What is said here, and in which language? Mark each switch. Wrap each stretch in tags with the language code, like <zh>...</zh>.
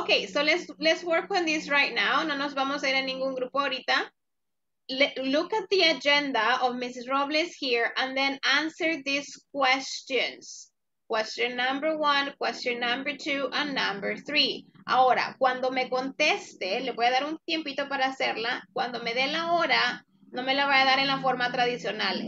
<en>Ok, so let's work on this right now.</en> <es>No nos vamos a ir a ningún grupo ahorita.</es> <en>Look at the agenda of Mrs. Robles here and then answer these questions. Question number one, question number two, and number three.</en> <es>Ahora, cuando me conteste, le voy a dar un tiempito para hacerla. Cuando me dé la hora, no me la voy a dar en la forma tradicional.</es>